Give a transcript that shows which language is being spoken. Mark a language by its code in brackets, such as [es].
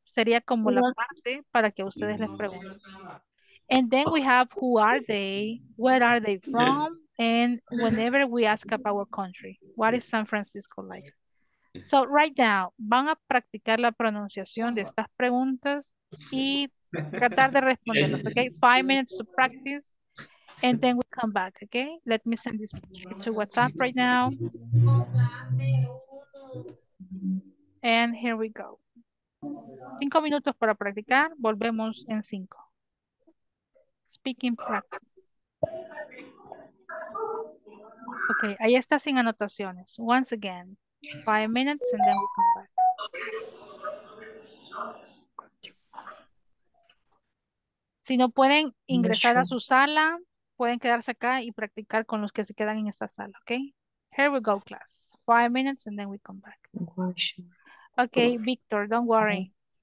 [es] Sería como la parte para que ustedes les pregunten. [en] And then we have who are they, where are they from, and whenever we ask about our country, what is San Francisco like? So, right now, [es] van a practicar la pronunciación de estas preguntas y tratar de responderlos, ¿ok? [en] 5 minutes to practice. And then we come back, okay? Let me send this picture to WhatsApp right now. And here we go. [es] 5 minutos para practicar. Volvemos en 5. [en] Speaking practice. [es] Okay, ahí está sin anotaciones. [en] Once again, 5 minutes and then we come back. [es] Si no pueden ingresar a su sala, pueden quedarse acá y practicar con los que se quedan en esta sala, ¿ok? [en] Here we go, class. 5 minutes and then we come back. Ok, Victor, don't worry.